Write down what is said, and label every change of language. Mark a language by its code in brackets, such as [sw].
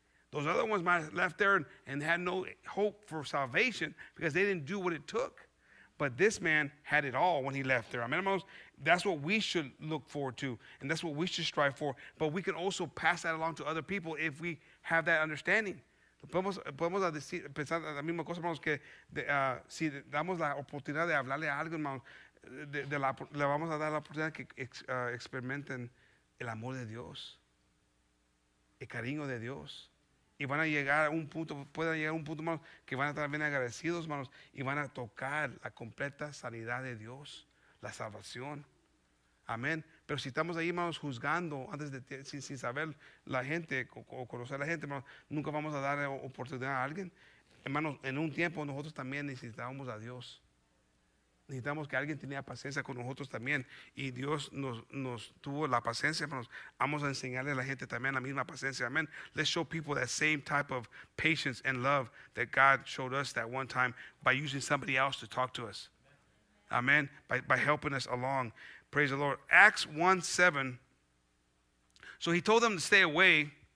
[en] Those other ones might have left there and had no hope for salvation because they didn't do what it took. But this man had it all when he left there. Amen, hermanos? That's what we should look forward to, and that's what we should strive for. But we can also pass that along to other people if we have that understanding. [es] Podemos decir, pensar la misma cosa, hermanos, que si damos la oportunidad de hablarle a alguien, hermanos, le vamos a dar la oportunidad que experimenten el amor de Dios, el cariño de Dios. Y van a llegar a un punto, pueden llegar a un punto, hermanos, que van a estar bien agradecidos, hermanos, y van a tocar la completa sanidad de Dios, la salvación. Amén. Pero si estamos ahí, hermanos, juzgando antes de sin saber la gente o conocer a la gente, hermanos, nunca vamos a dar oportunidad a alguien. Hermanos, en un tiempo nosotros también necesitábamos a Dios. Necesitamos que alguien tenía paciencia con nosotros también. Y Dios nos tuvo la paciencia, hermanos. Vamos a enseñarle a la gente también la misma paciencia. [en] Amen. Let's show people that same type of patience and love that God showed us that one time by using somebody else to talk to us. Amen. By helping us along. Praise the Lord. Acts 1:7. So he told them to stay away.